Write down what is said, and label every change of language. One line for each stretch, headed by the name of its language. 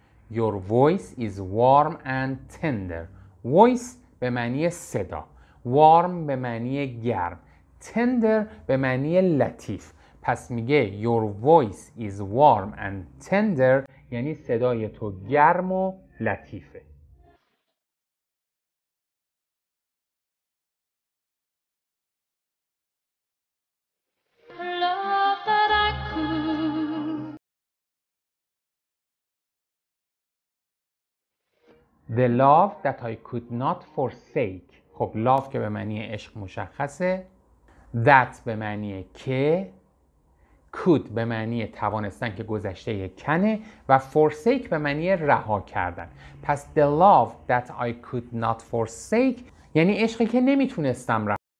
English: Your voice is warm and tender.
Persian: Voice به معنی صدا. Warm به معنی گرم. Tender به معنی لطیف. پس میگه
English: Your voice is warm and tender
Persian: یعنی صدای تو گرم و لطیفه.
English: The love that I could not forsake.
Persian: خب love که به معنی عشق مشخصه. That به معنی که. Could به معنی توانستن که گذشته کنه. و forsake به معنی رها کردن. پس
English: the love that I could not forsake
Persian: یعنی عشقی که نمیتونستم رها.